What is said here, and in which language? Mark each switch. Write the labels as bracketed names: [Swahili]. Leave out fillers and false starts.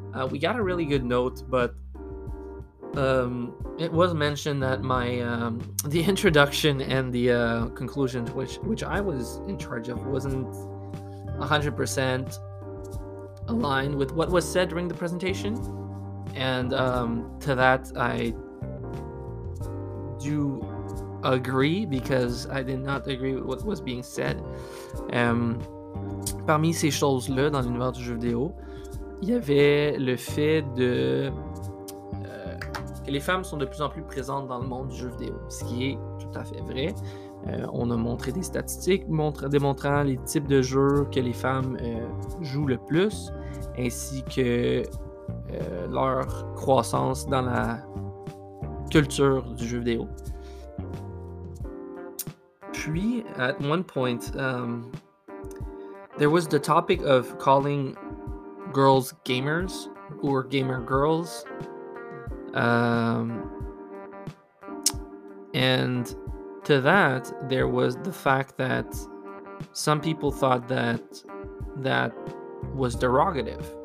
[English] We got a really good note, but it was mentioned that my the introduction and the conclusion, which I was in charge of, wasn't 100% aligned with what was said during the presentation, and to that I do agree, because I did not agree with what was being said. [French] Parmi ces choses-là dans l'univers du jeu vidéo, il y avait le fait de que les femmes sont de plus en plus présentes dans le monde du jeu vidéo, ce qui est tout à fait vrai. On a montré des statistiques démontrant les types de jeux que les femmes jouent le plus, ainsi que leur croissance dans la culture du jeu vidéo. Puis, [English] at one point, there was the topic of calling girls gamers or gamer girls. And to that, there was the fact that some people thought that that was derogative.